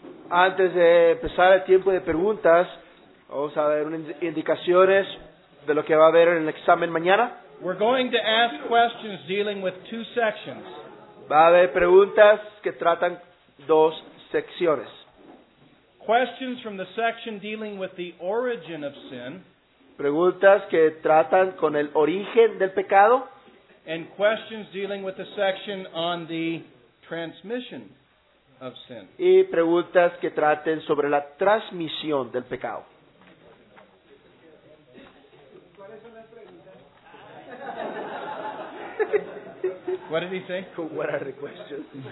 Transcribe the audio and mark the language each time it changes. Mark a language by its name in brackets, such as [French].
[Spanish] Antes de empezar el tiempo de preguntas, vamos a ver unas indicaciones de lo que va a haber en el examen mañana. [English] We're going to ask questions dealing with two sections. [Spanish] Va a haber preguntas que tratan dos secciones. [English] Questions from the section dealing with the origin of sin. [Spanish] Preguntas que tratan con el origen del pecado. [English] And questions dealing with the section on the transmission of sin. [Spanish] Y preguntas que traten sobre la transmisión del pecado. [English] What did he say? What are the questions?